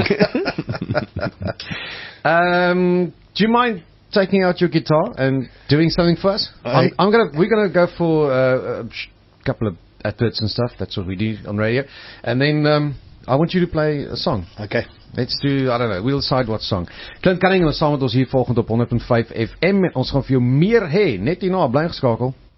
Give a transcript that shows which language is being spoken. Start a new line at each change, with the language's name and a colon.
English: Do you mind taking out your guitar and doing something for us? We're gonna go for a couple of adverts and stuff. That's what we do on radio. And then I want you to play a song. Okay. Let's do, I don't know, we'll decide what song.
Afrikaans: Clint Cunningham is saam met ons hier volgend op 100.5 FM. En ons gaan vir jou meer hê, net hierna, bly geskakel.